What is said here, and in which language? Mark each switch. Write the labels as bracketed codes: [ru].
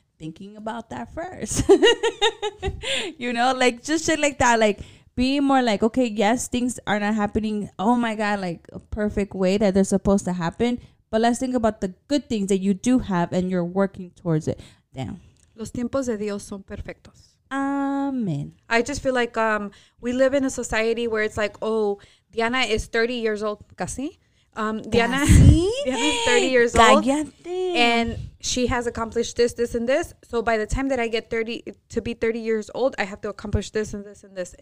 [en] Thinking about that first. You know, like, just shit like that, like... Be more like, okay, yes, things are not happening, oh my God, like a perfect way that they're supposed to happen. But let's think about the good things that you do have and you're working towards it. Damn. [es] Los tiempos de Dios son perfectos. [en] Amen. I just feel like we live in a society where it's like, oh, Diana is 30 years old. Casi. Diana, Diana's 30 years old. Cállate. And she has accomplished this, this, and this. So by the time that I get 30, to be 30 years old, I have to accomplish this and this and this.